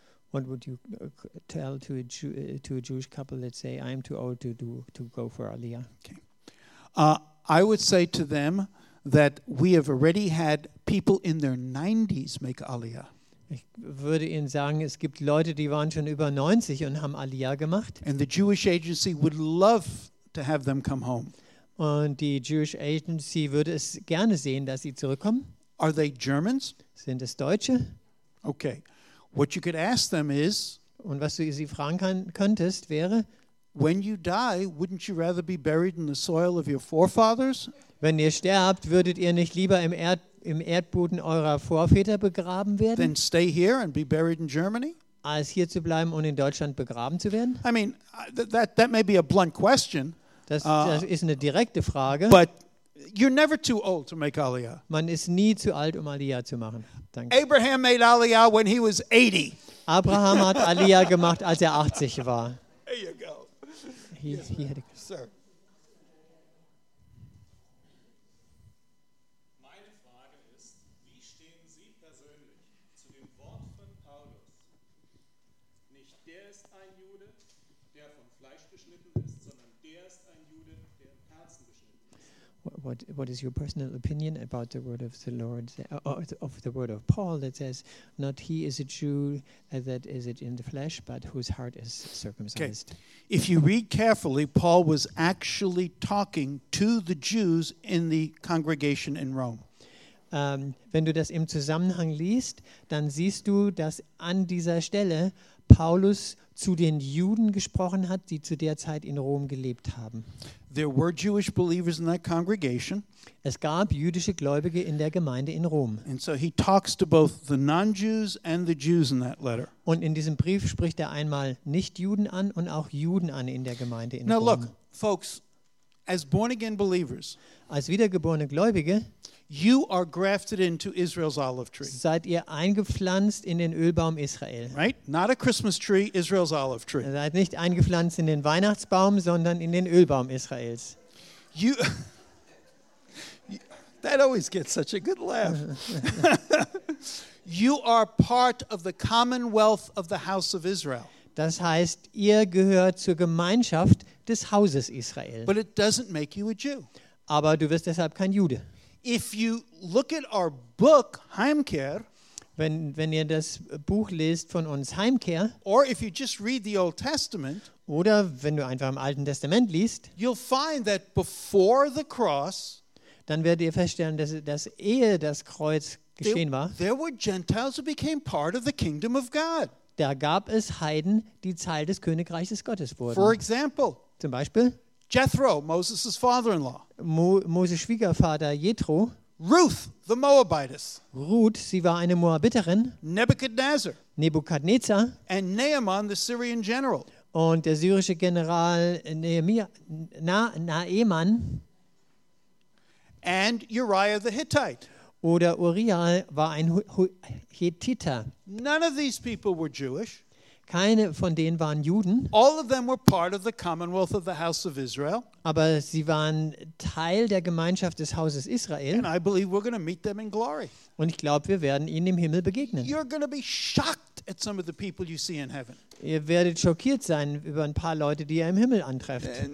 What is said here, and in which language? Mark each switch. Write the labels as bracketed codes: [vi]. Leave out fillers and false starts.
[en] What would you tell to a Jewish couple that say, "I'm too old to go for Aliyah"? Okay. I would say to them that we have already had people in their 90s make Aliyah. [de] Ich würde ihnen sagen, es gibt Leute, die waren schon über 90 und haben Aliyah gemacht. [en] And the Jewish agency would love to have them come home. [de] Und die Jewish agency würde es gerne sehen, dass sie zurückkommen. [en] Are they Germans? [de] Sind es Deutsche? [en] Okay. What you could ask them is, [de] und was du sie fragen könntest wäre, [en] when you die, wouldn't you rather be buried in the soil of your forefathers? [de] Wenn ihr sterbt, würdet ihr nicht lieber im Erdboden eurer Vorväter begraben werden? [en] Then stay here and be buried in Germany? [de] Als hier zu bleiben und in Deutschland begraben zu werden? [en] I mean, that may be a blunt question. [de] Das ist eine direkte Frage. [en] But you're never too old to make Aliyah. [de] Man ist nie zu alt, um Aliyah zu machen. Danke. [en] Abraham made Aliyah when he was 80. [de] Abraham hat Aliyah gemacht, als er 80 war. [en] There you go. Sir. What is your personal opinion about the word of the Lord, of the word of Paul that says, not he is a Jew that is it in the flesh, but whose heart is circumcised? Okay. If you read carefully, Paul was actually talking to the Jews in the congregation in Rome. [de] Wenn du das im Zusammenhang liest, dann siehst du, dass an dieser Stelle Paulus zu den Juden gesprochen hat, die zu der Zeit in Rom gelebt haben. [en] There were Jewish believers in that congregation. [de] Es gab jüdische Gläubige in der Gemeinde in Rom. [en] And so he talks to both the non-Jews and the Jews in that letter. [de] Und in diesem Brief spricht er einmal Nicht-Juden an und auch Juden an in der Gemeinde in [en] Now [de] Rom. [en] Now look, folks, as born-again believers, [de] als wiedergeborene Gläubige, [en] You are grafted into Israel's olive tree. [de] Seid ihr eingepflanzt in den Ölbaum Israel? [en] Right? Not a Christmas tree, Israel's olive tree. [de] Seid nicht eingepflanzt in den Weihnachtsbaum, sondern in den Ölbaum Israels. [en] You That always gets such a good laugh. You are part of the commonwealth of the house of Israel. [de] Das heißt, ihr gehört zur Gemeinschaft des Hauses Israel. [en] But it doesn't make you a Jew. [de] Aber du wirst deshalb kein Jude. [en] If you look at our book Heimkehr, [de] wenn ihr das Buch lest von uns Heimkehr, [en] or if you just read the Old Testament, [de] oder wenn du einfach im Alten Testament liest, [en] you'll find that before the cross, [de] dann werdet ihr feststellen, dass ehe das Kreuz geschehen war, [en] there were Gentiles who became part of the kingdom of God. [de] Da gab es Heiden, die Teil des Königreiches Gottes wurden. [en] For example, [de] zum Beispiel [en] Jethro, Moses' father-in-law. [de] Moses' Schwiegervater Jethro. [en] Ruth, the Moabitess. [de] Ruth, sie war eine Moabiterin. [en] Nebuchadnezzar. [de] Nebuchadnezzar. [en] And Naaman, the Syrian general. [de] Und der syrische General Naaman. [en] And Uriah the Hittite. [de] Oder Uriah war ein Hittiter. [en] None of these people were Jewish. [de] Keine von denen waren Juden. [en] All of them were part of the commonwealth of the house of Israel. [de] Aber sie waren Teil der Gemeinschaft des Hauses Israel. [en] And I believe we're going to meet them in glory. [de] Und ich glaube, wir werden ihnen im Himmel begegnen. [en] You're going to be shocked at some of the people you see in heaven. [de] Ihr werdet schockiert sein über ein paar Leute, die ihr im Himmel antrefft.